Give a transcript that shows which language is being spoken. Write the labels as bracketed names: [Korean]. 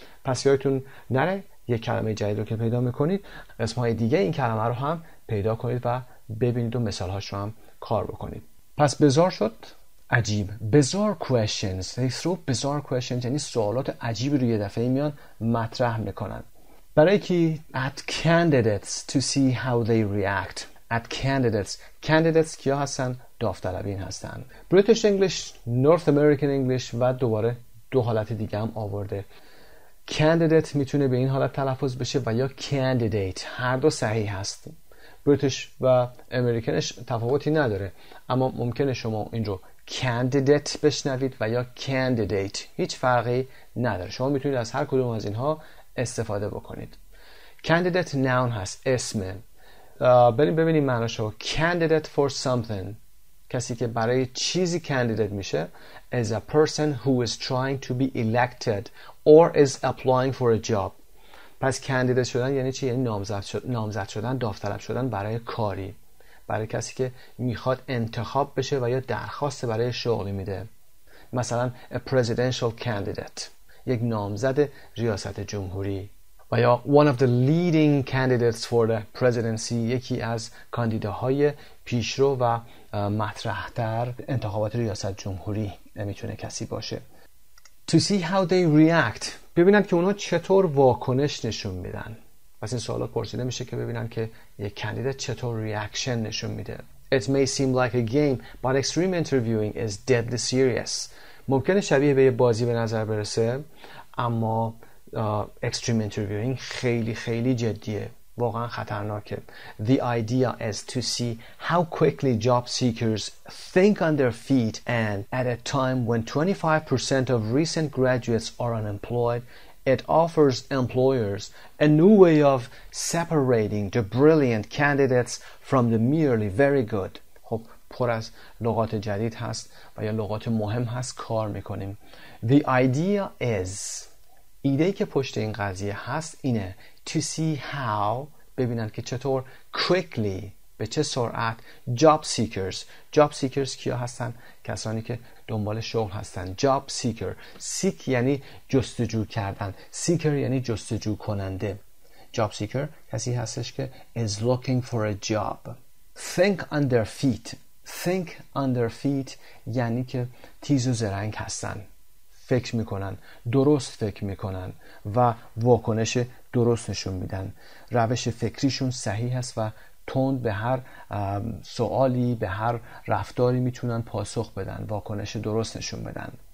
[Persian] پس یادتون نره یک کلمه جدید رو که پیدا میکنید اسمهای دیگه این کلمه رو هم پیدا کنید و ببینید و مثالهاش رو هم کار بکنید. پس bizarre شد عجیب. bizarre questions، [English] they throw bizarre questions [Persian] یعنی سوالات عجیبی رو یه دفعه میان مطرح میکنن. برای کی؟ [English] At candidates to see how they react. At candidates. [Persian] Candidates کیا هستن؟ داوطلبین هستن. British English، North American English و دوباره دو حالت دیگه هم آورده. Candidate میتونه به این حالت تلفظ بشه و یا candidate، هر دو صحیح هست. British و Americanش تفاوتی نداره، اما ممکنه شما این رو candidate بشنوید و یا candidate، هیچ فرقی نداره. شما میتونید از هر کدوم از اینها استفاده بکنید. candidate noun هست، اسم. بریم ببینیم معناشو. [English] candidate for something، [Persian] کسی که برای چیزی candidate میشه، [English] is a person who is trying to be elected or is applying for a job. [Persian] پس candidate شدن یعنی چی؟ یعنی نامزد شدن، داوطلب شدن برای کاری، برای کسی که میخواد انتخاب بشه و یا درخواست برای شغلی میده. مثلا a presidential candidate، یک نامزد ریاست جمهوری. و یا [English] one of the leading candidates for the presidency، [Persian] یکی از کاندیداهای پیشرو و مطرح در انتخابات ریاست جمهوری میتونه کسی باشه. [English] To see how they react، [Persian] ببینن که اونا چطور واکنش نشون میدن. پس این سوالات پرسیده میشه که ببینن که یک کاندیده چطور ریاکشن نشون میده. [English] It may seem like a game but extreme interviewing is deadly serious. [Persian] ممکنه شبیه به یه بازی به نظر برسه، اما اکستریم انترویوینگ خیلی خیلی جدیه، واقعا خطرناکه. [English] The idea is to see how quickly job seekers think on their feet and at a time when 25% of recent graduates are unemployed, it offers employers a new way of separating the brilliant candidates from the merely very good. [Persian] پر از لغات جدید هست و یا لغات مهم هست کار میکنیم. [English] The idea is، [Persian] ایدهی که پشت این قضیه هست اینه، [English] to see how، [Persian] ببینن که چطور، quickly به چه سرعت، job seekers. job seekers کیا هستن؟ کسانی که دنبال شغل هستن. job seeker، seek یعنی جستجو کردن، seeker یعنی جستجو کننده. [English] job seeker [Persian] کسی هستش که [English] is looking for a job. think on their feet، [Persian] think on their feet یعنی که تیز و زرنگ هستن، فکر میکنن، درست فکر میکنن و واکنش درست نشون میدن. روش فکریشون صحیح هست و تند به هر سوالی، به هر رفتاری میتونن پاسخ بدن، واکنش درست نشون بدن.